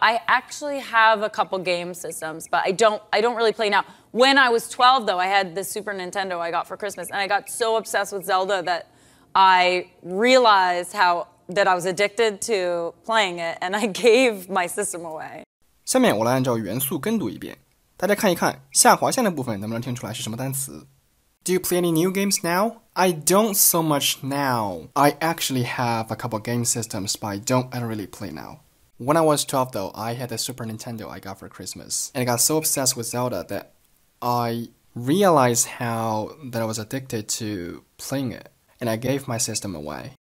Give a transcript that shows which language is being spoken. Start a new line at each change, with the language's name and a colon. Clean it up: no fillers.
English: I actually have a couple game systems, but I don't really play now. When I was 12, though, I had the Super Nintendo I got for Christmas, and I got so obsessed with Zelda that I realized that I was addicted to playing it, and I gave my system away.
Chinese: 下面我来按照元素跟读一遍，大家看一看下划线的部分能不能听出来是什么单词。
English: Do you play any new games now? I don't so much now. I actually have a couple game systems, but I don't really play now. When I was 12, though, I had a Super Nintendo I got for Christmas, and I got so obsessed with Zelda that I realized that I was addicted to playing it, and I gave my system away.